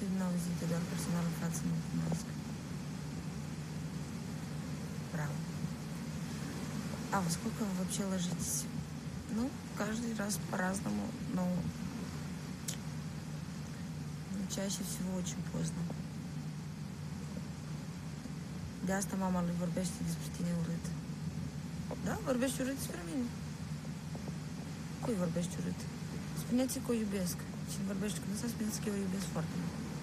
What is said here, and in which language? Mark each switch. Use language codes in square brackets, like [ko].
[ro] este din auzite, doar personal în față nu cunosc. Bravo. [ru] А во сколько вы вообще ложитесь? Ну, каждый раз по-разному, но чаще всего очень поздно. [ro] De asta mama lui vorbește despre tine urât. Da? Vorbește urât despre mine? Cui vorbește urât? Spuneți-i că o iubesc. Cine vorbește cu dânsa, spuneți că eu o iubesc foarte mult.